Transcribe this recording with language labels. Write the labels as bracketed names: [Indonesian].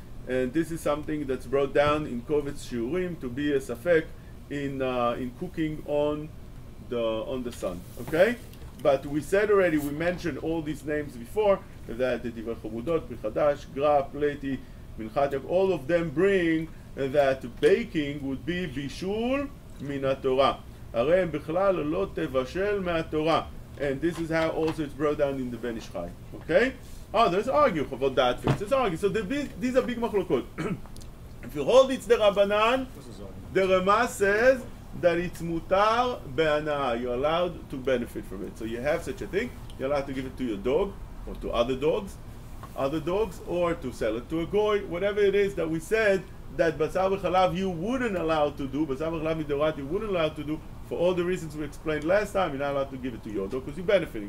[English] And this is something that's brought down in Kovetz Shiurim to be a safek in cooking on the sun. Okay? But we said already, we mentioned all these names before, that the Divrei Chamudot, Prichadash, Gra, Pleti, Minchat Yaakov, all of them bring that baking would be Bishul Minatorah. [Hebrew] הרי הם בכלל לא תבשל מהתורה. [English] And this is how also it's brought down in the Ben Ish Chai. Okay? Others argue about that. It's argue. So these are big machlokot. If you hold it's the Rabbanan, the Rama says that it's mutar be'ana'ah. You're allowed to benefit from it. So you have such a thing. You're allowed to give it to your dog or to other dogs, or to sell it to a goy, whatever it is that we said that basar v'chalav you wouldn't allow to do, basar v'chalav midorat you wouldn't allow to do, for all the reasons we explained last time, you're not allowed to give it to your dog because you're benefiting.